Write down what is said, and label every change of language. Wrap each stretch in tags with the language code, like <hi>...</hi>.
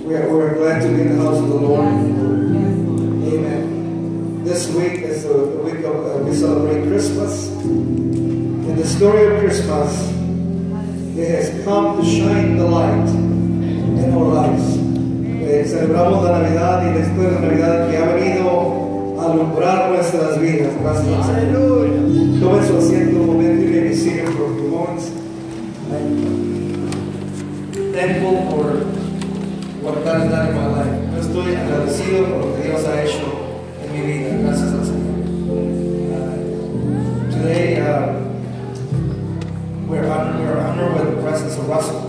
<en>We're glad to be in the house of the Lord. Amen. This week is the week of we celebrate Christmas. And the story of Christmas, it has come to shine the light in our lives.</en> <es>Celebramos la Navidad y después de la Navidad que ha venido a alumbrar nuestras vidas. Gracias. Tome su asiento un momento y</es> <en>let me see you for a few moments. Thankful for what God has done in my life.</en> <es>Yo estoy agradecido por lo que Dios ha hecho en mi vida. Gracias al Señor.</es> <en>Today, we're honored with the presence of Russell.</en>